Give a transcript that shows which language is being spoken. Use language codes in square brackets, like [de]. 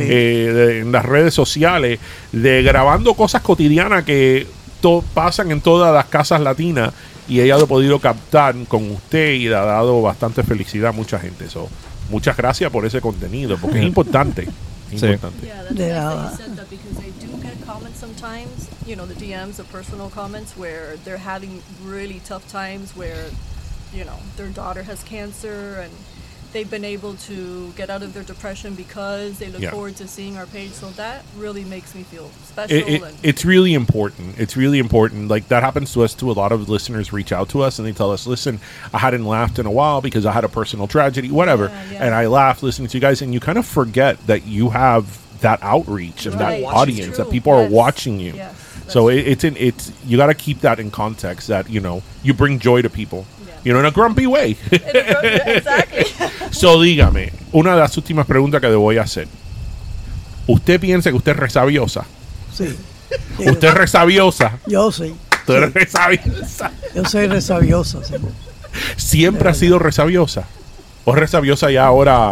[es] En las redes sociales, de grabando cosas cotidianas que pasan en todas las casas latinas. Y ella lo ha podido captar con usted y le ha dado bastante felicidad a mucha gente. So, muchas gracias por ese contenido, porque es importante. Es sí. Importante. [en] Yeah, that's why I said that, because I do get comments sometimes, you know, the DMs, the personal comments, where they're having really tough times where, you know, their daughter has cancer and they've been able to get out of their depression because they look yeah. forward to seeing our page. So that really makes me feel special. It's really important. It's really important. Like, that happens to us too. A lot of listeners reach out to us and they tell us, listen, I hadn't laughed in a while because I had a personal tragedy, whatever. Yeah, yeah. And I laughed listening to you guys. And you kind of forget that you have that outreach and right. that audience, that people yes. are watching you. Yes, so it's you got to keep that in context, that, you know, you bring joy to people. You know, in a grumpy way. Exactly. [es] So, dígame, una de las últimas preguntas que le voy a hacer. ¿Usted piensa que usted es resabiosa? Sí. ¿Usted es resabiosa? Yo sí. ¿Tú eres resabiosa? Yo soy resabiosa, sí. ¿Siempre ha sido resabiosa? ¿O es resabiosa ya ahora?